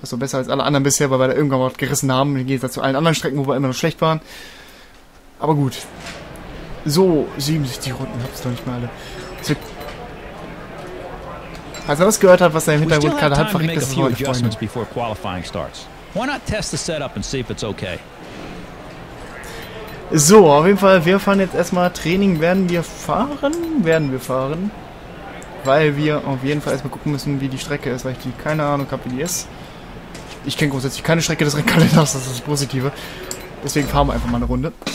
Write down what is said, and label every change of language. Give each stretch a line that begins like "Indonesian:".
German: Also besser als alle anderen bisher, weil wir da irgendwann mal was gerissen haben. Im Gegensatz zu allen anderen Strecken, wo wir immer noch schlecht waren. Aber gut. So, 67 Runden, hab's doch nicht mal alle. Als er was gehört hat, was er im Hintergrund gerade hat, verrückt ist, war er gefreut.
English: Why not test the setup and see if it's okay?
German: So, auf jeden Fall, wir fahren jetzt erstmal Training. Werden wir fahren? Weil wir auf jeden Fall erstmal gucken müssen, wie die Strecke ist, weil ich die keine Ahnung habe, wie die ist. Ich kenne grundsätzlich keine Strecke des Rennkalenders, das ist das Positive. Deswegen fahren wir einfach mal eine Runde.